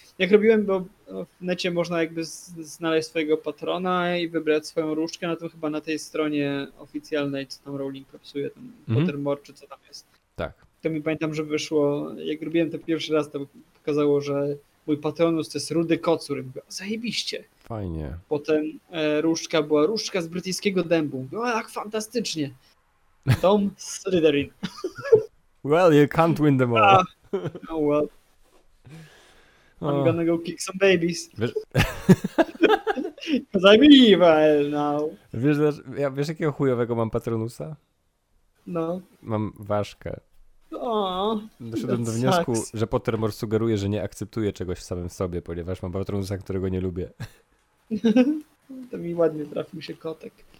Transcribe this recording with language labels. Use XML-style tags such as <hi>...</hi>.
<pl>Jak robiłem, bo w necie można jakby znaleźć swojego patrona i wybrać swoją różdżkę, no to chyba na tej stronie oficjalnej, co tam Rowling popisuje, tam Pottermore, czy co tam jest. Tak. To mi pamiętam, że wyszło, jak robiłem to pierwszy raz, to pokazało, że mój patronus to jest rudy kocur. Mówię, zajebiście. Fajnie. Potem różdżka była różdżka z brytyjskiego dębu. O, jak fantastycznie. Tom Slytherin.</pl> <en>Well, you can't win them all. Oh, well. I'm gonna go kick some babies. Because I'm evil now.</en> <pl>Wiesz, jakiego chujowego mam patronusa? No. Mam ważkę.</pl> <en>Oh,</en> <pl>doszedłem do wniosku, że Pottermore sugeruje, że nie akceptuje czegoś w samym sobie, ponieważ mam patronusa, którego nie lubię. To mi ładnie trafił się kotek.</pl>